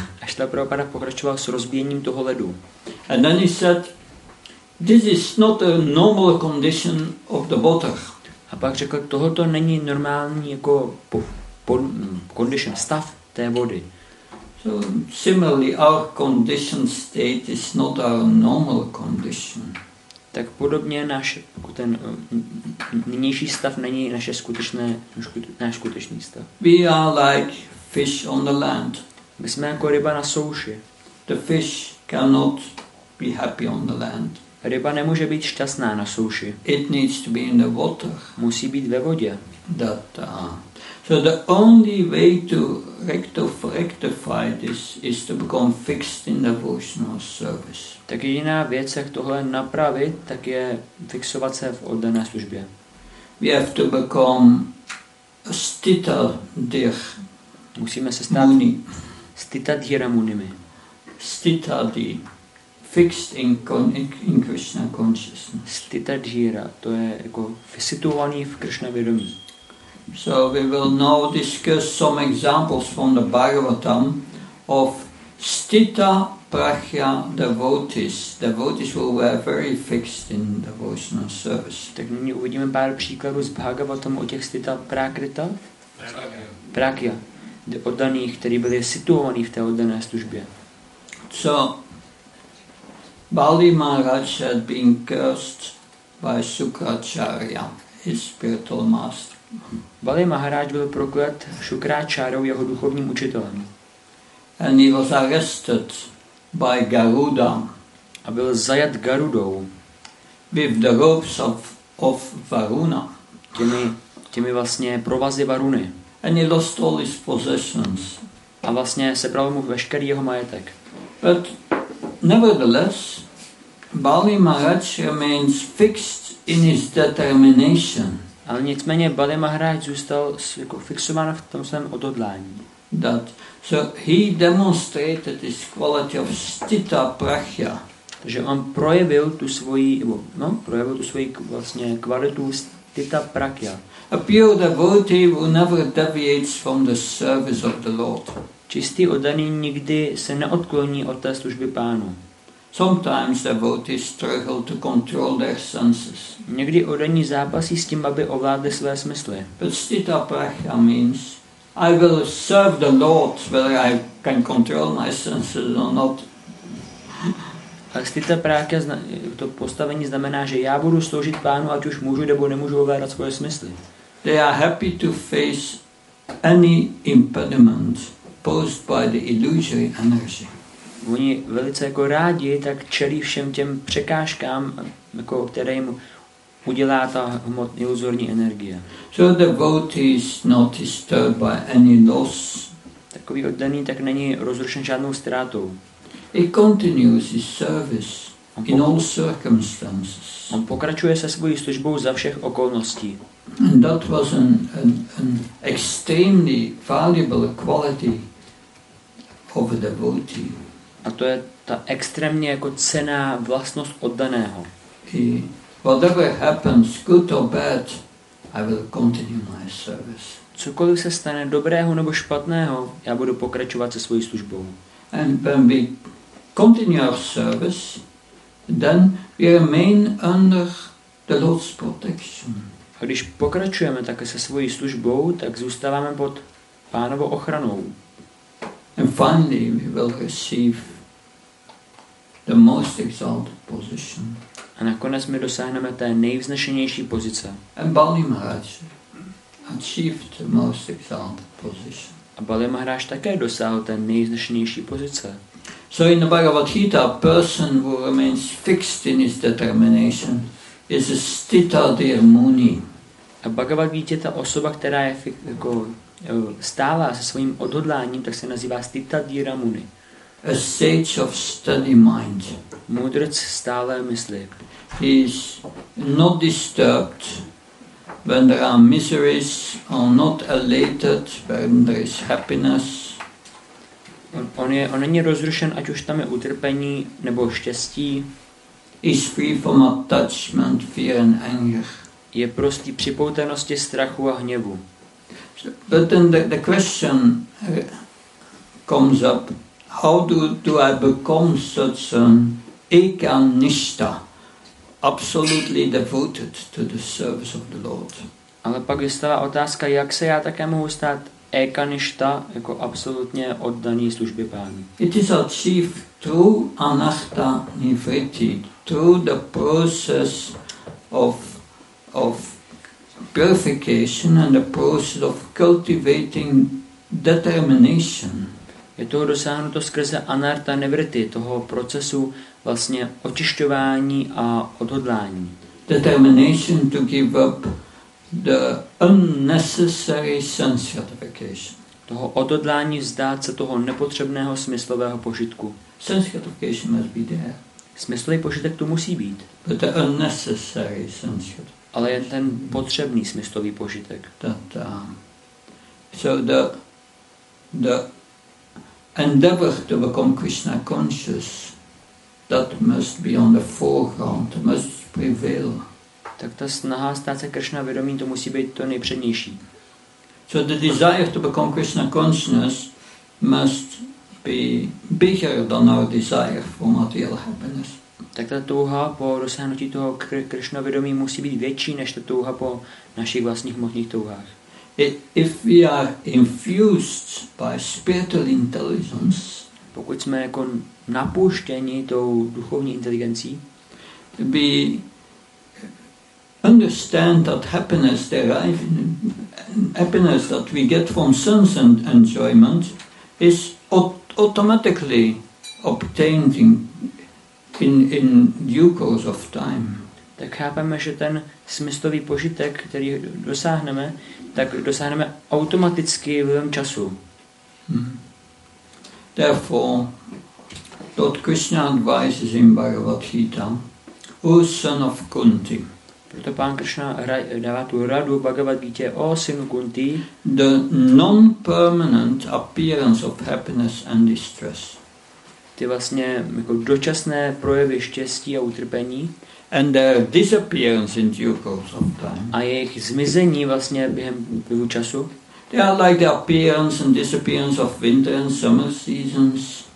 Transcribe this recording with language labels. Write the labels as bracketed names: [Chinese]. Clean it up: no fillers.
[Czech] A Srila Prabhupada pokračoval s rozbíjením toho ledu. [English] And then he said, this is not a normal condition of the water. [Czech] A pak řekl, tohoto není normální jako condition, stav té vody. [English] So similarly, our condition state is not our normal condition. [Czech] Tak podobně náš ten nynější stav není naše skutečné, náš skutečný stav. [English] We are like fish on the land. [Czech] My jsme jako ryba na souši. [English] The fish cannot be happy on the land. [Czech] Ryba nemůže být šťastná na souši. [English] It needs to be in the water. [Czech] Musí být ve vodě. [English] That, So the only way to rectify this is to become fixed in the devotional service. [Czech] Tak jediná věc, jak tohle napravit, tak je fixovat se v oddané službě. [English] We have to become stita dhir. [Czech] Musíme se stát stita dhira munimi. [English] Stita dhir. Fixed in Krishna consciousness. [Czech] Stita dhira, to je jako situovaný v Krishna vědomí. [English] So we will now discuss some examples from the Bhagavatam of stita prajna devotees. Devotees who were very fixed in devotional service. [Czech] Tak nyní uvidíme pár příkladů z Bhagavatam o těch stita prakrita. Prajna. Oddaných, kteří byli situovaní v té oddané službě. [English] So Bali Maharaj had been cursed by Sukracharya, his spiritual master. [Czech] Bali Maharaj byl proklet Šukráčárou, jeho duchovním učitelem. [English] And he was arrested by Garuda. [Czech] A byl zajat Garudou. [English] With the ropes of Varuna. [Czech] Těmi vlastně provazy Varuny. [English] And he lost all his possessions. [Czech] A vlastně sebral mu veškerý jeho majetek. [English] But nevertheless, Bali Maharaj remains fixed in his determination. [Czech] Ale nicméně Bali Maharaj zůstal jako fixován v tom svém odhodlání. [English] That so he demonstrated his quality of stita prachya. [Czech] Takže on projevil tu svoji, no, projevil tu svoji vlastně kvalitu stita prachya. [English] A pure devotee who never deviates from the service of the Lord. [Czech] Čistý oddaný nikdy se neodkloní od té služby Pánu. [English] Sometimes devotees struggle to control their senses. [Czech] Někdy oddaní zápasí s tím, aby ovládli své smysly. [English] But stita prachya means I will serve the Lord whether I can control my senses or not. [Czech] A stita prachya, to postavení znamená, že já budu sloužit Pánu, ať už můžu nebo nemůžu ovládat svoje smysly. [English] They are happy to face any impediment posed by the illusory energy. [Czech] Oni velice jako rádi tak čelí všem těm překážkám, jako které jim udělá ta iluzorní energie. [English] So the devotee is not disturbed by any loss. [Czech] Takový oddaný tak není rozrušen žádnou ztrátou. [English] He continues his service in all circumstances. [Czech] On pokračuje se svou službou za všech okolností. [English] And that was an extremely valuable quality of a devotee. [Czech] A to je ta extrémně jako cenná vlastnost oddaného. [English] Whatever happens, good or bad, I will continue my service. [Czech] Cokoliv se stane dobrého nebo špatného, já budu pokračovat se svou službou. [English] And when we continue our service, then we remain under the Lord's protection. [Czech] A když pokračujeme také se svou službou, tak zůstáváme pod Pánovou ochranou. [English] And finally, we will receive the most exalted position. [Czech] A nakonec my dosáhneme té nejvznešenější pozice. [English] And Bali Maharaj achieved the most exalted position. [Czech] A Bali Maharaj také dosáhl té nejvznešenější pozice. [English] So in the Bhagavad Gita, a person who remains fixed in his determination is a stita dhir muni. [Czech] A Bhagavad Gita, ta osoba, která je stává se svým odhodláním, tak se nazývá stita dhira muni. [English] A sage of steady mind. [Czech] Mudrc stále myslí. [English] He is not disturbed when there are miseries or not elated when there is happiness. [Czech] On není rozrušen, ať už tam je utrpení nebo štěstí. [English] He is free from attachment, fear and anger. [Czech] Je prostý připoutanosti, strachu a hněvu. [English] But then the question comes up, how do I become such an ekanishta, absolutely devoted to the service of the Lord? [Czech] Ale pak vystává otázka, jak se já také mohu stát ekanishta, jako absolutně oddaný službě Pánu. [English] It is achieved through anatta nivritti, through the process of purification and the process of cultivating determination. [Czech] Je toho dosáhnuto skrze anarta nevrity, toho procesu vlastně očišťování a odhodlání. [English] Determination to give up the unnecessary sense gratification. [Czech] Toho odhodlání vzdát se toho nepotřebného smyslového požitku. [English] Sense gratification must be there. [Czech] Smyslový požitek tu musí být. [English] But the unnecessary sense gratification. [Czech] Ale jen ten potřebný smyslový požitek. [English] That, so the endeavor to become Krishna conscious, that must be on the foreground, must prevail. [Czech] Tak ta snaha stát se Krishna vědomým, to musí být to nejpřednější. [English] So the desire to become Krishna consciousness must be bigger than our desire for material happiness. [Czech] Tak ta touha po dosáhnutí toho Krishna vědomí musí být větší než ta touha po našich vlastních hmotných touhách. [English] If we are infused by spiritual intelligence, [Czech] pokud jsme jako napuštěni tou duchovní inteligencí, [English] we understand that happiness deriving happiness that we get from sense and enjoyment is automatically obtained in due course of time. [Czech] Tak chápeme, že ten smyslový požitek, který dosáhneme, tak dosáhneme automaticky vlivem času. [English] Therefore, Lord Krishna advises in Bhagavad Gita, O son of Kunti. [Czech] Proto pán Krishna dává tu radu Bhagavad Gita, O synu Kunti. [English] The non-permanent appearance of happiness and distress. [Czech] Ty vlastně jako dočasné projevy štěstí a utrpení. [English] And their disappearance in due course of time. [Czech] A jejich zmizení vlastně během plivu času. [English] They are like the appearance and disappearance of winter and summer seasons.